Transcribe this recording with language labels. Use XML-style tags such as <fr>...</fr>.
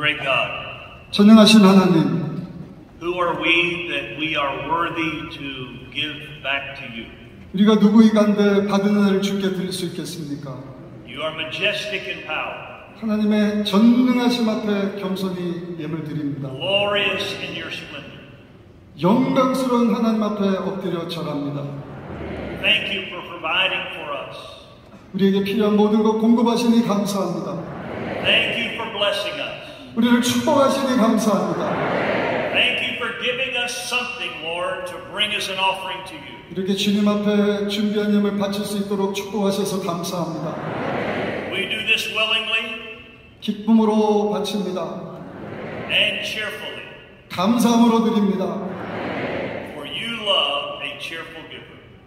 <en>Who are we that we are worthy to give back to you?</en> <ko>우리가 누구이간데 받은 은혜를 주께 드릴 수 있겠습니까?</ko> <en>You are majestic in power.</en> <ko>하나님의 전능하심 앞에 겸손히 예물 드립니다.</ko> <en>Glorious in your splendor.</en> <ko>영광스러운 하나님 앞에 엎드려 절합니다.</ko> <en>Thank you for providing for us.</en> <ko>우리에게 필요한 모든 것 공급하시니 감사합니다.</ko> <en>Thank you for blessing us.</en> <ko>우리를 축복하시니 감사합니다.</ko> <en>Thank you for giving us something, Lord, to bring us an offering to you.</en> <ko>이렇게 주님 앞에 준비한 예물 바칠 수 있도록 축복하셔서 감사합니다.</ko> <en>We do this willingly.</en> <ko>기쁨으로 바칩니다.</ko> <en>And cheerfully.</en> <ko>감사함으로 드립니다.</ko> <en>For you love a cheerful giver.</en>